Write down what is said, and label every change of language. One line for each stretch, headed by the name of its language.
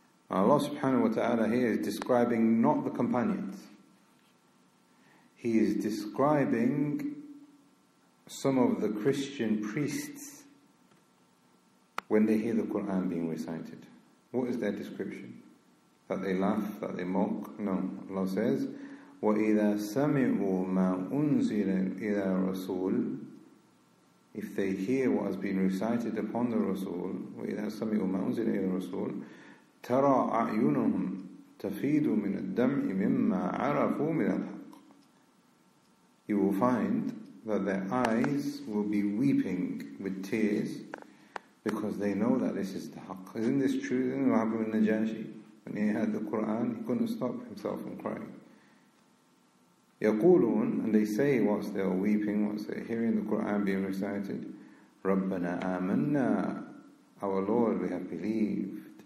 English: Allah subhanahu wa ta'ala here is describing not the companions. He is describing some of the Christian priests when they hear the Quran being recited. What is their description? That they laugh, that they mock? No. Allah says, وَإِذَا سَمِعُوا مَا أُنزِلَ إِلَى الرَّسُولِ. If they hear what has been recited upon the Rasul,
Arabic: وَإِذَا سَمِعُوا مَا أُنزِلَ إِلَى الرَّسُولِ ترى أعينهم تفيد من الدمع مما عرفوا من الحق.
English: You will find that their eyes will be weeping with tears because they know that this is the haqq. Isn't this true? Isn't Abu al-Najashi, when he had the Quran, he couldn't stop himself from crying.
Arabic: يقولون,
English: and they say whilst they are weeping, whilst they are hearing the Quran being recited,
Arabic: ربنا آمنا,
English: our Lord, we have believed.